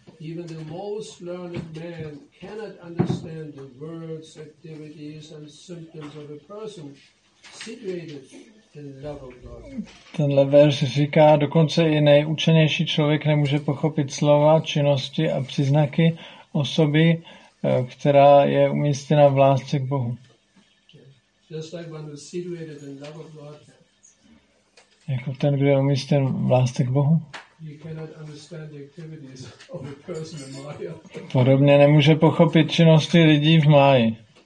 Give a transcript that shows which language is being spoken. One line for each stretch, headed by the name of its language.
English: Even the most learned man cannot understand the words, activities and symptoms of a person situated in love of God.
Czech: Tenhle verš říká, dokonce i nejučenější člověk nemůže pochopit slova, činnosti a příznaky osoby, která je umístěna v lásce k Bohu.
English: Just like one who's situated in love of God.
Czech: Jako ten, kdo je umístěn v lásce k Bohu.
English: You cannot understand the activities of a person in Maya.
Czech: Podobně nemůže pochopit činnosti lidí v Máji.